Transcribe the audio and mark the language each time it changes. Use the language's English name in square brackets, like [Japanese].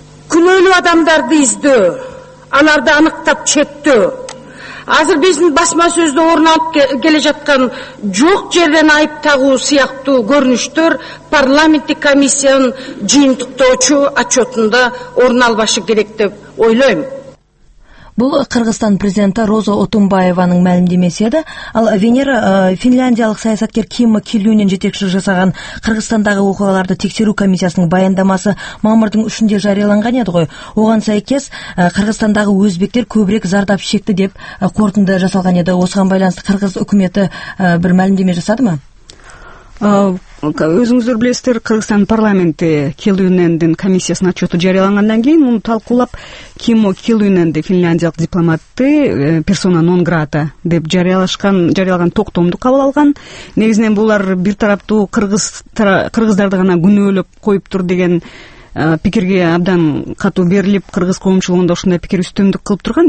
[Kyrgyz] Күнөөлүү адамдарды издөө, аларды аныктап четтөө, азыр биздин басма сөздө орун алып келе жаткан жок жерден айып тагуу сыяктуу көрүнүштөр парламенттик комиссиянын жыйынтыктоочу отчетунда орун албашы керек деп ойлойм. [Kazakh] Бул Кыргызстан президенти Роза Отунбаеванын мәлімдемеси еді. Ал Венера финляндиялық саясаткер Кимма Киллюнен жетекші жасаған Кыргызстандағы оқуаларды тексеру комиссиясының баяндамасы мамырдың үшінде жарияланған еді ғой. Оған сәйкес Кыргызстандағы өзбектер көбірек зардап шекті деп қорытынды жасалған еді. Осыған байланысты Кыргыз үкіметі бір мәлімдеме жасады ма? [Kyrgyz] Өзүңүздөр билесиздер, Кыргызстан парламенти Киллюнендин комиссиясынын отчету жарыялангандан кийин муну талкуулап Кимо Киллюненди финляндиялык дипломатты персона нон грата деп жарыялаган токтомду кабыл алган. Негизинен булар бир тараптуу кыргыздарды гана күнөөлөп коюптур деген пикирге абдан катуу берилип, кыргыз коомчулугунда ушундай пикир үстөмдүк кылып турган.